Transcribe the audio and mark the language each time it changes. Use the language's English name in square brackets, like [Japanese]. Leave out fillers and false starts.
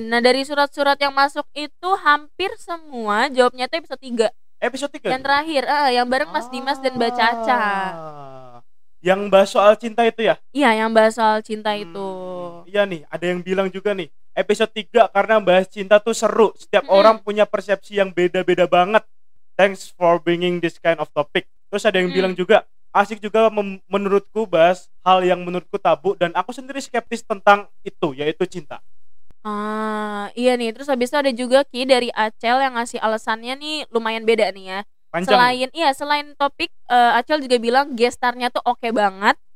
[Indonesian] Nah, dari surat-surat yang masuk itu hampir semua jawabnya itu episode 3. Episode 3? Yang terakhir, yang bareng Mas Dimas dan Mbak Caca. Yang bahas soal cinta itu ya? Iya, yang bahas soal cinta itu. Iya nih, ada yang bilang juga nih, episode 3 karena bahas cinta tuh seru. Setiap orang punya persepsi yang beda-beda banget. [English] Thanks for bringing this kind of topic. [Indonesian] Terus ada yang bilang juga, asik juga menurutku bahas hal yang menurutku tabu dan aku sendiri skeptis tentang itu, yaitu cinta. Iya nih, terus habis itu ada juga Ki dari Acel yang ngasih alasannya nih lumayan beda nih ya. Panjang. Selain iya, selain topik, Acel juga bilang gestarnya tuh oke banget.